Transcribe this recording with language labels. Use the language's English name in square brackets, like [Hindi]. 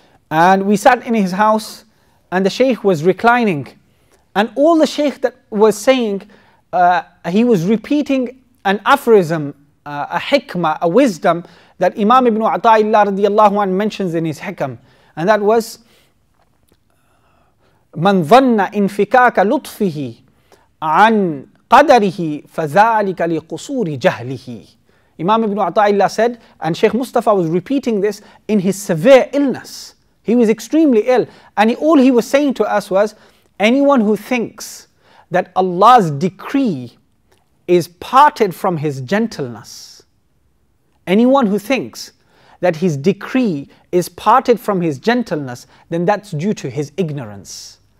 [English] And we sat in his house, and the Shaykh was reclining. And all the Shaykh that was saying, he was repeating an aphorism, a hikmah, a wisdom that Imam Ibn Ata'illah radiyallahu anhu mentions in his hikam. And that was, [Arabic] مَنْ ظَنَّ إِنْفِكَاكَ لُطْفِهِ عَنْ قَدَرِهِ فَذَٰلِكَ لِقُصُورِ جَهْلِهِ. [English] Imam Ibn Ata'illah said, and Shaykh Mustafa was repeating this in his severe illness. He was extremely ill. And all he was saying to us was, anyone who thinks that Allah's decree is parted from his gentleness, anyone who thinks that his decree is parted from his gentleness, then that's due to his ignorance.